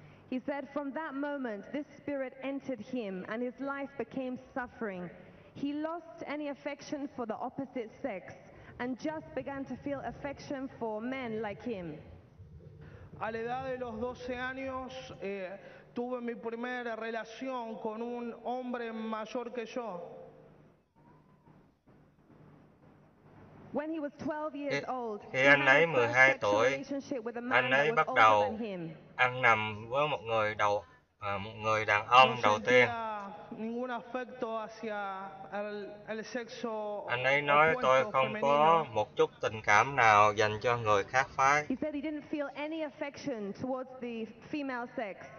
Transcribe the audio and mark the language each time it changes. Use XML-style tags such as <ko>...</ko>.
<en>He said, from that moment, this spirit entered him and his life became suffering. He lost any affection for the opposite sex and just began to feel affection for men like him.</en> <es>A la edad de los 12 años, tuve mi primera relación con un hombre mayor que yo.</es> <en>When he was 12 years old, he had his first sexual tuổi, relationship with a man who was older than him.</en> <vi>Ăn nằm với một người đàn ông đầu tiên.</vi> <es>Ningún afecto hacia el sexo.</es> <vi>Anh ấy nói tôi không có một chút tình cảm nào dành cho người khác phái.</vi> <en>He said he didn't feel any affection towards the female sex.</en>